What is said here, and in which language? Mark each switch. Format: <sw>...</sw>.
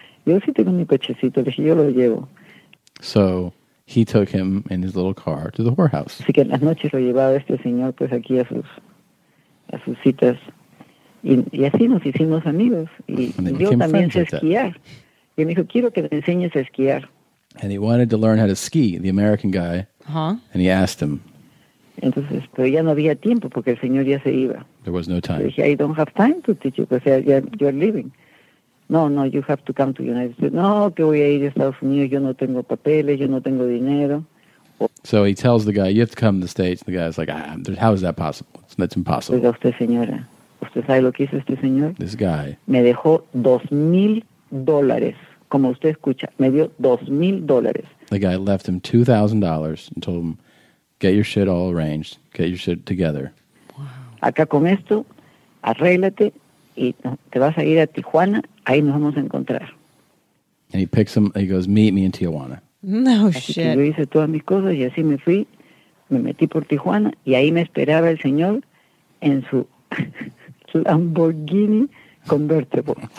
<es>Yo sí tengo mi cochecito, le dije, yo lo llevo.</es> <en>So he took him in his little car to the whorehouse.</en> <es>Así que en las noches lo llevaba este señor pues aquí a sus citas. Y así nos hicimos amigos. Y yo también sé esquiar. Y me dijo, quiero que me enseñes a esquiar.</es> <en>And he wanted to learn how to ski, the American guy. Uh-huh. And he asked him.</en> <es>Entonces, pero ya no había tiempo porque el señor ya se iba.</es> <en>There was no time.</en> <es>Le dije,</es> <en>I don't have time to teach you, because you're leaving. No, you have to come to the United States.</en> <es>No, que voy a ir a Estados Unidos, yo no tengo papeles, yo no tengo dinero.</es> <en>So he tells the guy, you have to come to the States. The guy's like, ah, how is that possible? That's impossible.</en> <es>Oiga usted, señora. ¿Usted sabe lo que hizo este señor?</es> <en>This guy.</en> <es>Me dejó $2,000, como usted escucha. Me dio $2,000.</es> <en>The guy left him $2,000 and told him, get your shit all arranged. Get your shit together. Wow.</en> <es>Acá con esto, arréglate y te vas a ir a Tijuana. Ahí nos vamos a encontrar.</es> <en>And he picks him. He goes, meet me in Tijuana. No</en> <es>así</es> <en>shit.</en> <es>Yo hice todas mis cosas y así me fui. Me metí por Tijuana y ahí me esperaba el señor en su Lamborghini convertible.</es>